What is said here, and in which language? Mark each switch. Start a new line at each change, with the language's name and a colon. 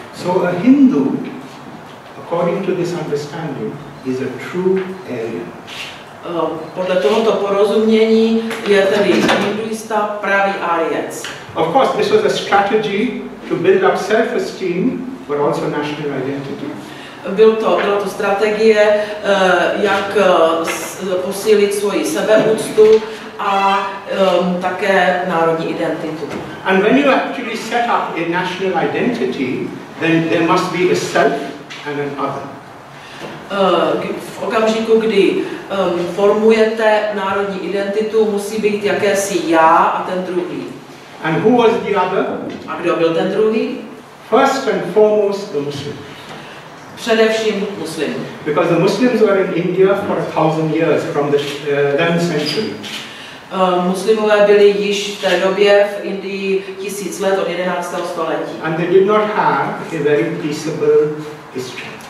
English: So a Hindu, according to this understanding, is a true Aryan.
Czech: Podle tohoto porozumění je tedy hinduista pravý Aryan.
English: Of course, this was a strategy to build up self-esteem. But also national identity.
Czech: Byla to strategie, jak posílit svoji sebeúctu a také národní identitu.
English: And when you actually set up a national identity, then there must be a self and an other.
Czech: V okamžiku, kdy formujete národní identitu, musí být jakési já a ten druhý.
English: And who was the other?
Czech: A kdo byl ten druhý?
English: First and foremost, the Muslim.
Czech: Především Muslim.
English: Because the Muslims were in India for 1,000 years from the 11th century.
Czech: Muslimové byli již v té době v Indii 1000 let od 11. století.
English: And they did not have a very peaceable history.